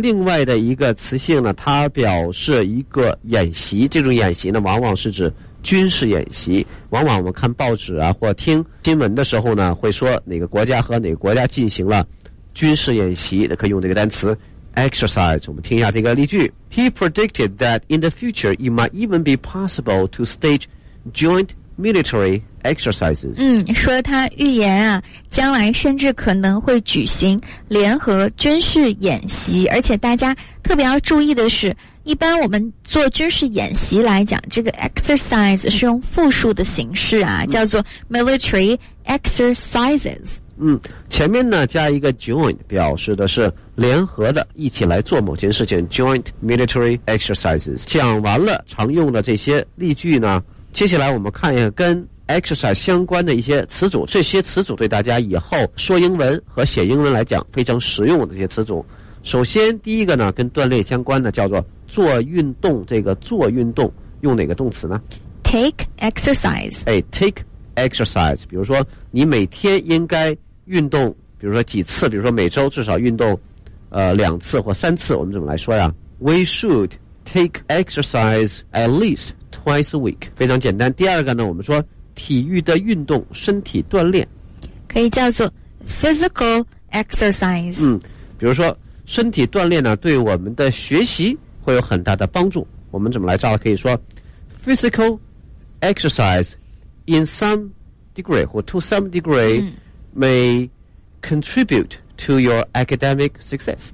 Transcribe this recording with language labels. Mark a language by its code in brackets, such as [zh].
[zh] 另外的一个词性呢，它表示一个演习，这种演习呢往往是指军事演习。往往我们看报纸啊或听新闻的时候呢，会说哪个国家和哪个国家进行了军事演习，可以用这个单词exercise。 我们听一下这个例句。 [en] He predicted that in the future it might even be possible to stage joint military exercises. [zh] 说他预言啊，将来甚至可能会举行联合军事演习。而且大家特别要注意的是，一般我们做军事演习来讲，这个 exercise 是用复数的形式啊，叫做 [en] military exercises。 [zh] 前面呢加一个 joint， 表示的是联合的，一起来做某件事情， [en] joint military exercises。 [zh] 讲完了常用的这些例句呢，接下来我们看一下跟 exercise 相关的一些词组，这些词组对大家以后说英文和写英文来讲非常实用的这些词组。首先第一个呢，跟锻炼相关的，叫做做运动。这个做运动用哪个动词呢？ [en] take exercise。 take exercise， [zh] 比如说你每天应该运动，比如说几次，比如说每周至少运动两次或三次，我们怎么来说呀？ [en] We should take exercise at least twice a week， 非常简单。 [zh] 第二个呢，我们说体育的运动，身体锻炼，可以叫做 [en] physical exercise。 [zh] 比如说身体锻炼呢，对我们的学习会有很大的帮助。我们怎么来造？可以说 [en] physical exercise in some degree [zh] 或 [en] to some degree、may contribute to your academic success。